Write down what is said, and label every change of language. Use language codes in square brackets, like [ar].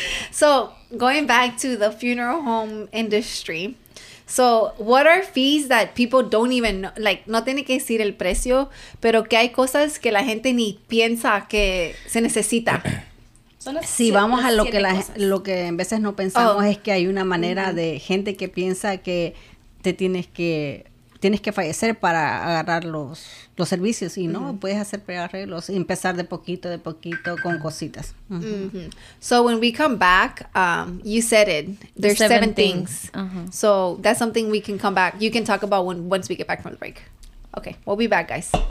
[en] So, going back to the funeral home industry. So, what are fees that people don't even know? [es] Like, no tiene que decir el precio, pero que hay cosas que la gente ni piensa que se necesita. Sí, vamos a lo que en veces no pensamos es que hay una manera de gente que piensa que te tienes que fallecer para agarrar los servicios y no puedes hacer prearreglos y empezar de poquito con cositas. [en] So when we come back, you said it, there's seven things. Uh-huh. So that's something we can come back, you can talk about once we get back from the break. Okay, we'll be back, guys.